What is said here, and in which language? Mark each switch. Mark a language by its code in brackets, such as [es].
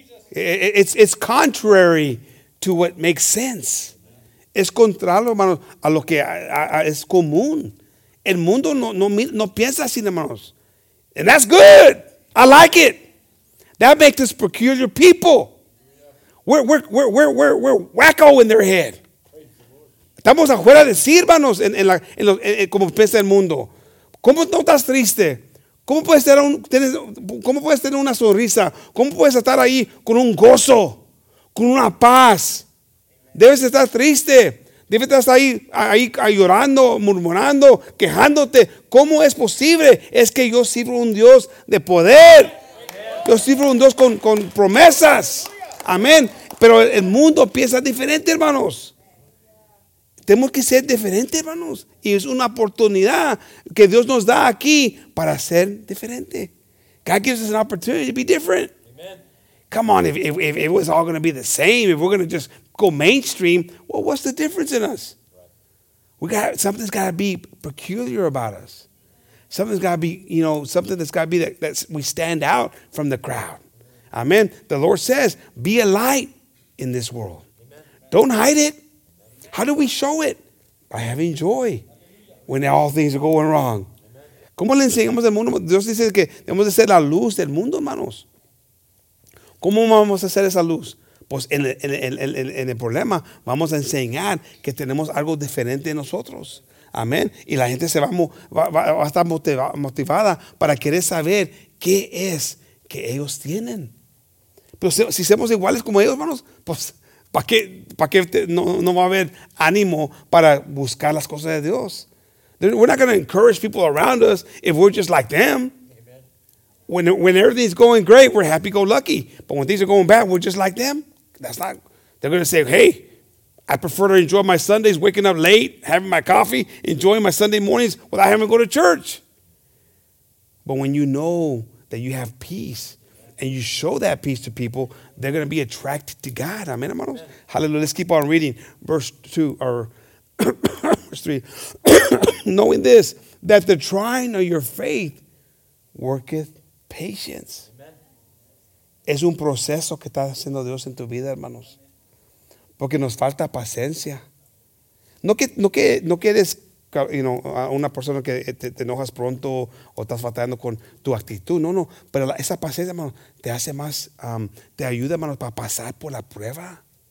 [en] It's contrary to what makes sense. [es] Es contrario, hermanos, a lo que es común. El mundo no piensa así, hermanos. [en] And that's good. I like it. That makes us peculiar people. We're wacko in their head. [es] Estamos afuera de sí, hermanos, como piensa el mundo. ¿Cómo no estás triste? ¿Cómo puedes tener una sonrisa? ¿Cómo puedes estar ahí con un gozo, con una paz? Debes estar triste. Debes estar ahí llorando, murmurando, quejándote. ¿Cómo es posible? Es que yo sirvo un Dios de poder. Yo sirvo un Dios con promesas. Amén. Pero el mundo piensa diferente, hermanos. Tenemos que ser diferentes, hermanos. Y es una oportunidad que Dios nos da aquí para ser diferente. [en] God gives us an opportunity to be different. Amen. Come on, if it was all going to be the same, if we're going to just go mainstream, well, what's the difference in us? Something's got to be peculiar about us. Something's got to be, you know, something that's got to be that we stand out from the crowd. Amen. The Lord says, be a light in this world. Amen. Don't hide it. How do we show it? By having joy when all things are going wrong. [es] ¿Cómo le enseñamos al mundo? Dios dice que debemos de ser la luz del mundo, hermanos. ¿Cómo vamos a hacer esa luz? Pues en el problema vamos a enseñar que tenemos algo diferente en nosotros. Amén. Y la gente va a estar motivada para querer saber qué es que ellos tienen. Pero si somos iguales como ellos, hermanos, pues ¿Para qué no va a haber ánimo para buscar las cosas de Dios? [en] We're not going to encourage people around us if we're just like them. Amen. When everything's going great, we're happy-go-lucky. But when things are going bad, we're just like them. That's not. They're going to say, hey, I prefer to enjoy my Sundays, waking up late, having my coffee, enjoying my Sunday mornings without having to go to church. But when you know that you have peace, and you show that peace to people, they're going to be attracted to God. Amen, hermanos. Amen. Hallelujah. Let's keep on reading. Verse 2 or verse 3. Knowing this, that the trying of your faith worketh patience. [es] Amen. Es un proceso que está haciendo Dios en tu vida, hermanos. Porque nos falta paciencia. No que eres, [en] you know, [es] una persona que te enojas pronto o estás batallando con tu actitud. No, pero esa paciencia, hermano, te hace más, te ayuda, hermano, para pasar por la prueba.